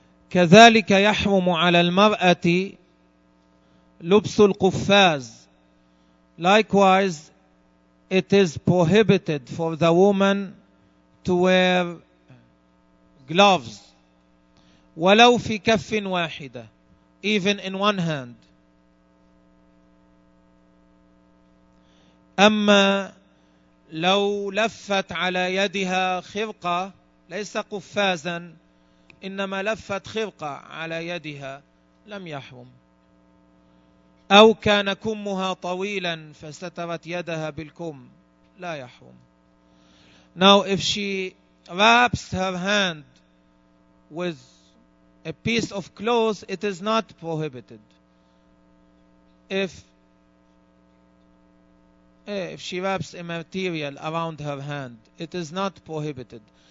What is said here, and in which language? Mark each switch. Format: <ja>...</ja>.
<ar>كذلك يحرم على المرأة لبس القفاز.</ar> <en>Likewise, it is prohibited for the woman to wear gloves,</en> <ar>ولو في كف واحدة,</ar> <en>even in one hand.</en> <ar>أما لو لفت على يدها خرقة, ليس قفازا, إنما لفت خرقة على يدها, لم يحرم. أو كان كمها طويلا فسترت يدها بالكم, لا يحرم.</ar> <en>Now if she wraps her hand with a piece of cloth, it is not prohibited. If she wraps a material around her hand, it is not prohibited.</en>